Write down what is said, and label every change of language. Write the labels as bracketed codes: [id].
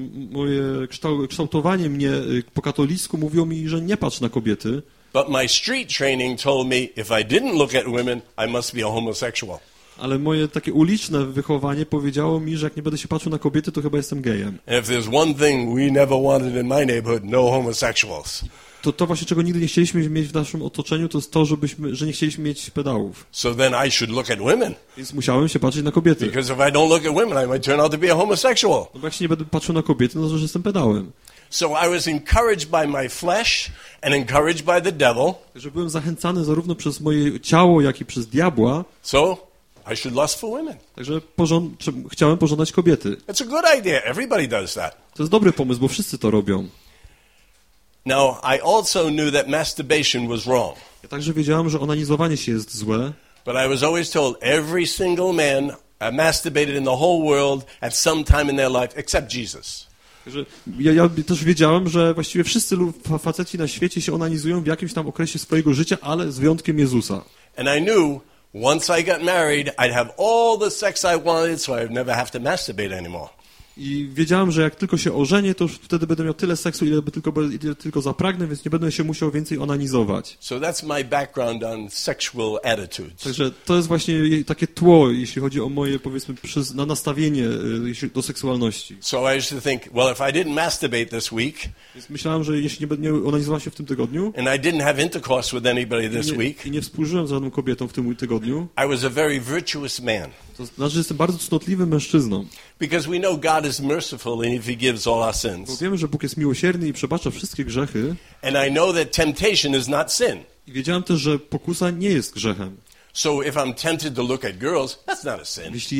[pl] Moje kształtowanie mnie po katolicku mówiło mi, że nie patrz na kobiety. [en] But my street training told me if I didn't look at women, I must be a homosexual. [pl] Ale moje takie uliczne wychowanie powiedziało mi, że jak nie będę się patrzył na kobiety, to chyba jestem gejem. [en] If there's one thing we never wanted in my neighborhood, no homosexuals. [pl] To właśnie, czego nigdy nie chcieliśmy mieć w naszym otoczeniu, to jest to, że nie chcieliśmy mieć pedałów. [en] So then I should look at women. [pl] Więc musiałem się patrzeć na kobiety. [en] Because if I don't look at women, I might turn out to be a homosexual. [pl] No bo jak się nie będę patrzył na kobiety, no to że jestem pedałem. [en] So I was encouraged by my flesh and encouraged by the devil. [pl] Że byłem zachęcany zarówno przez moje ciało, jak i przez diabła. [en] So I should lust for women. [pl] Także chciałem pożądać kobiety. [en] It's a good idea. Everybody does that. [pl] To jest dobry pomysł, bo wszyscy to robią. [en] Now I also knew that masturbation was wrong. [pl] Ja także wiedziałem, że onanizowanie się jest złe. [en] But I was always told every single man masturbated in the whole world at some time in their life except Jesus. [pl] Ja też wiedziałem, że właściwie wszyscy faceci na świecie się onanizują w jakimś tam okresie swojego życia, ale z wyjątkiem Jezusa. [en] And I knew once I got married I'd have all the sex I wanted so I'd never have to masturbate anymore. [pl] I wiedziałem, że jak tylko się ożenię, to wtedy będę miał tyle seksu, ile tylko zapragnę, więc nie będę się musiał więcej onanizować. [en] So that's my background on sexual attitudes. [pl] Także to jest właśnie takie tło, jeśli chodzi o moje, powiedzmy, nastawienie do seksualności. [en] So I used to think, well, if I didn't masturbate this week, [pl] myślałem, że jeśli nie onanizowałem się w tym tygodniu, [en] and I didn't have intercourse with anybody this week, [pl] i nie współżyłem z żadną kobietą w tym tygodniu, [en] I was a very virtuous man. [pl] To znaczy, że jestem bardzo cnotliwym mężczyzną. [en] Because we know God is merciful and if he gives all our sins. [pl] Bo wiemy, że Bóg jest miłosierny i przebacza wszystkie grzechy. [en] And I know that temptation is not sin. [pl] I wiedziałem też, że pokusa nie jest grzechem. [en] So if I'm tempted to look at girls, that's not a sin.